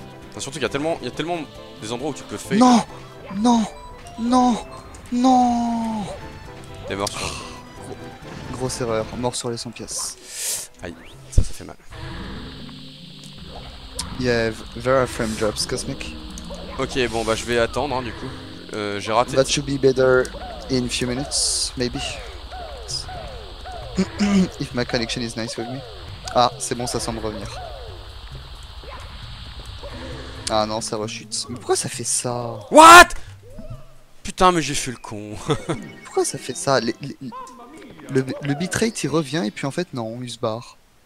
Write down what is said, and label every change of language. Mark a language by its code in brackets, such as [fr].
[fr] Enfin, surtout qu'il y a tellement des endroits où tu peux faire. Non. Non. Non. Non. T'es mort sur... Grosse erreur, mort sur les 100 pièces. Aïe, ça, ça fait mal. [en] Yeah, there are frame drops, Cosmic. [fr] Ok, bon bah je vais attendre hein, du coup. J'ai raté. [en] That should be better in few minutes, maybe. If my connection is nice with me. [fr] Ah, c'est bon, ça semble revenir. Ah non, ça rechute. Mais pourquoi ça fait ça? [en] What? [fr] Putain, mais j'ai fait le con. Pourquoi ça fait ça? Le bitrate il revient et puis en fait non, il se barre.